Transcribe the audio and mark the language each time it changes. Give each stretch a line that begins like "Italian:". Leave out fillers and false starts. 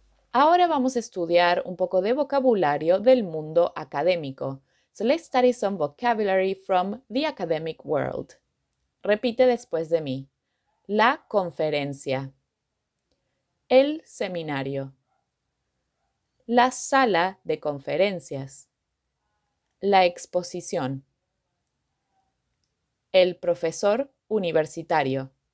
Spanish: Ahora vamos a estudiar un poco de vocabulario del mundo académico.
English: So let's study some vocabulary from the academic world.
Spanish: Repite después de mí. La conferencia. El seminario, la sala de conferencias, la exposición, el profesor universitario,